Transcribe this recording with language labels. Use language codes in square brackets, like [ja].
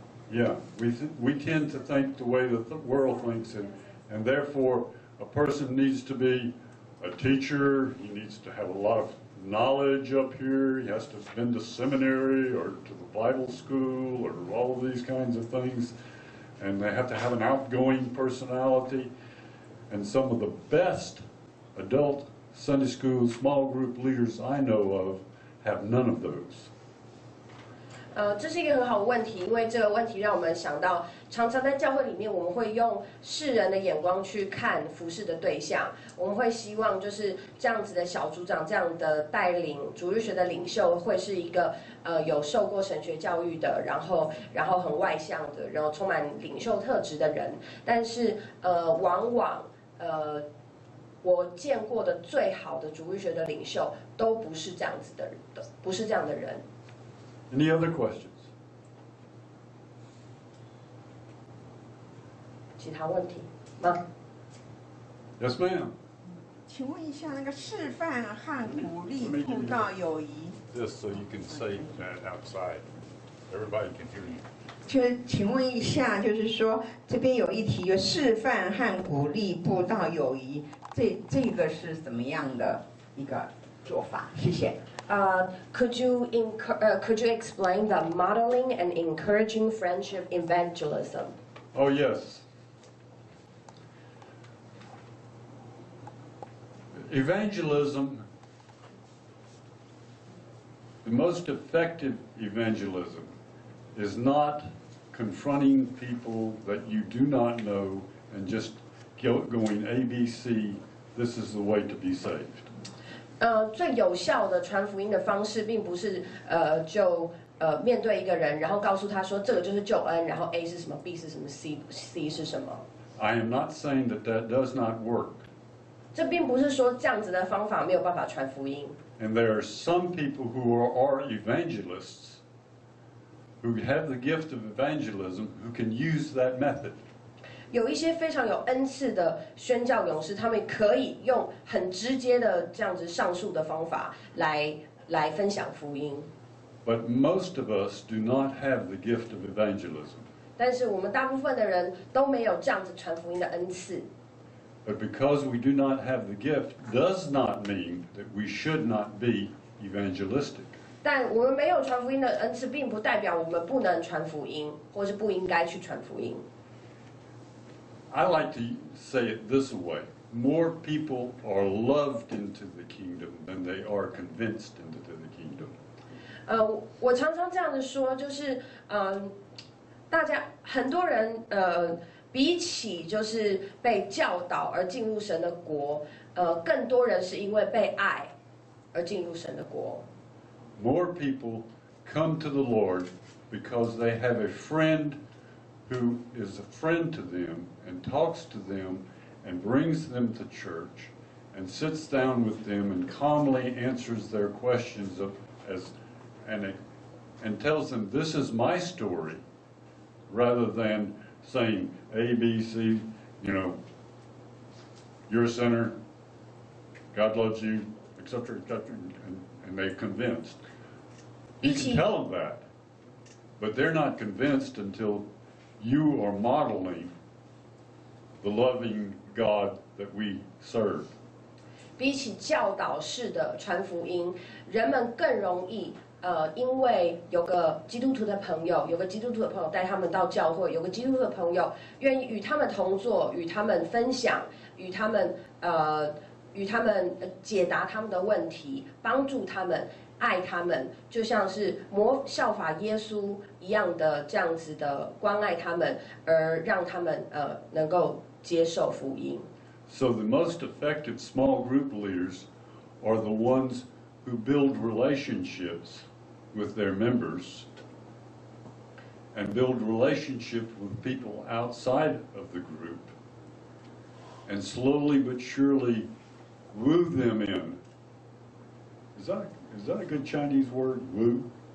[en] Yeah, we tend to think the way that the world thinks, and therefore a person needs to be a teacher, he needs to have a lot of knowledge up here, he has to have been to seminary or to the Bible school or all of these kinds of things, and they have to have an outgoing personality. And some of the best adult Sunday school small group leaders I know ofHave none of those. [zh] 这是一个很好的问题，因为这个问题让我们想到，常常在教会里面，我们会用世人的眼光去看服事的对象，我们会希望就是这样子的小组长，这样的带领主日学的领袖，会是一个有受过神学教育的，然后很外向的，然后充满领袖特质的人，但是往往我见过的最好的主日学的领袖都不是这样子的人，不是这样的人。 [en] Any other questions? [zh] 其他问题吗 [en] ？Yes, ma'am. [zh] 请问一下，那个示范和鼓励布道友谊。 [en] This so you can say that outside. Everybody can hear you. [zh] 就请问一下，就是说这边有一题，就示范和鼓励布道友谊，这个是怎么样的一个做法？谢谢。 [en] Could you explain the modeling and encouraging friendship evangelism? Oh yes. Evangelism The most effective evangelism is not confronting people that you do not know and just going ABC, this is the way to be saved. [zh] 最有效的传福音的方式并不是就面对一个人然后告诉他说这个就是救恩然后 A 是什么 B 是什么 C 是什么 [en] I am not saying that that does not work [zh] 这并不是说这样子的方法没有办法传福音 [en] And there are some people who are evangelists who have the gift of evangelism who can use that method [zh] 有一些非常有恩赐的宣教勇士，他们可以用很直接的这样子上述的方法来分享福音。 [en] But most of us do not have the gift of evangelism. [zh] 但是我们大部分的人都没有这样子传福音的恩赐。 [en] But because we do not have the gift, does not mean that we should not be evangelistic. [zh] 但我们没有传福音的恩赐，并不代表我们不能传福音，或是不应该去传福音。 [en] I like to say it this way. More people are loved into the kingdom than they are convinced into the kingdom. [zh] 我常常这样子说，就是大家很多人比起就是被教导而进入神的国，更多人是因为被爱而进入神的国。 [en] More people come to the Lord because they have a friend who is a friend to them and talks to them and brings them to church and sits down with them and calmly answers their questions and tells them this is my story rather than saying A, B, C, you know, you're a sinner, God loves you, etc., etc., and they're convinced. You can tell them that, but they're not convinced until You are modeling the loving God that we serve. [zh] 比起教导式的传福音，人们更容易因为有个基督徒的朋友，有个基督徒的朋友带他们到教会，有个基督徒的朋友愿意与他们同坐，与他们分享，与他们解答他们的问题，帮助他们。爱他们就像是模效法耶稣一样的这样子的关爱他们而让他们能够接受福音 [en] So the most effective small group leaders are the ones who build relationships with their members and build relationships with people outside of the group and slowly but surely woo them in Is that a good Chinese word, woo?